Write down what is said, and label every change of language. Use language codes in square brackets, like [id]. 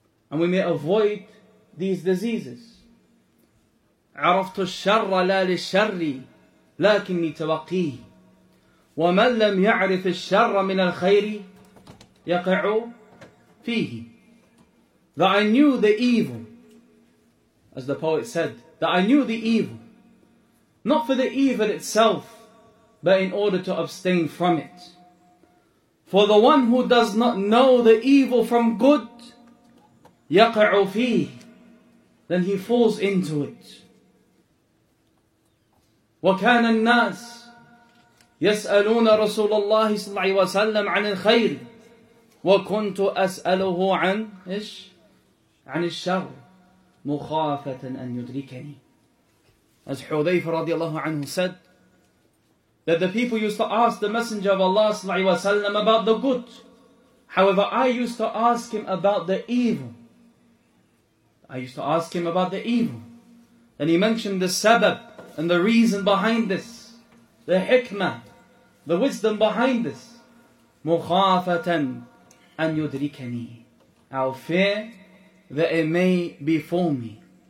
[en] And we may avoid these diseases. [ar] عَرَفْتُ الشَّرَّ لَا لِلشَّرِّ لَكِنِّي تَوَقِّيهِ وَمَنْ لَمْ يَعْرِفِ الشَّرَّ مِنَ الْخَيْرِ يَقِعُ فِيهِ [en] That I knew the evil, as the poet said, that I knew the evil, not for the evil itself, but in order to abstain from it. For the one who does not know the evil from good, [ar] يَقِعُ فِيهِ [en] Then he falls into it. [ar] وكان الناس يسألون رسول الله صلى الله عليه وسلم عن الخير وكنت أسأله عن إيش عن الشر مخافة أن يدركني [en] As Hudhayfa رضي الله عنه said that the people used to ask the Messenger of Allah صلى الله عليه وسلم about the good. However, I used to ask him about the evil. I used to ask him about the evil. And he mentioned the sabab and the reason behind this, the hikmah, the wisdom behind this, [ar] مُخَافَةً أَنْ يُدْرِكَنِي [en] Our fear that it may befall me.